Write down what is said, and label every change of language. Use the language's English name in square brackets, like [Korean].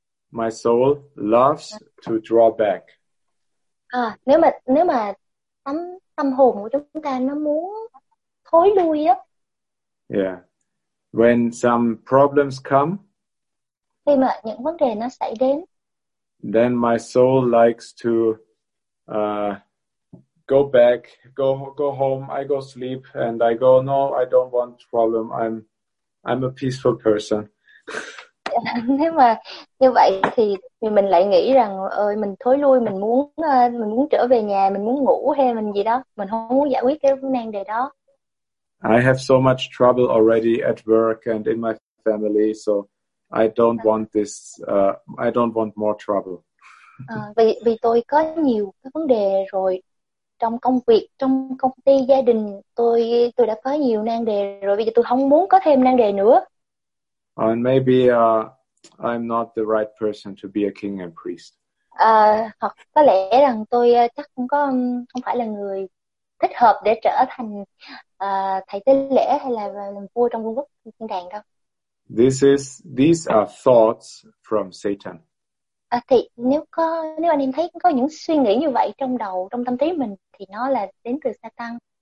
[English] My soul loves to draw back. [Vietnamese] À, nếu mà tâm hồn của chúng ta nó muốn thối lui á. [English] Yeah. When some problems come, [Vietnamese] khi mà những vấn đề nó xảy đến, [English] then my soul likes to go back, go home, I go sleep and I go, no, I don't want problem. I'm a peaceful person. [Vietnamese] Nếu mà như vậy thì mình lại nghĩ rằng ơi mình thối lui, mình muốn trở về nhà, mình muốn ngủ hay mình gì đó, mình không muốn giải quyết cái vấn đề đó. [English] I have so much trouble already at work and in my family, so I don't want this, I don't want more trouble. [Vietnamese] vì tôi có nhiều cái vấn đề rồi, trong công việc, trong công ty, gia đình, tôi đã có nhiều nan đề rồi, bây giờ tôi không muốn có thêm nan đề nữa. [English] And maybe I'm not the right person to be a king and priest. [Vietnamese] Hoặc có lẽ rằng tôi chắc không phải là người thích hợp để trở thành thầy tế lễ hay là làm vua trong vương quốc thiên đàng đâu. [English] These are thoughts from Satan. [Vietnamese] Thì nếu anh em thấy có những suy nghĩ như vậy trong đầu, trong tâm trí mình thì nó là đến từ Satan.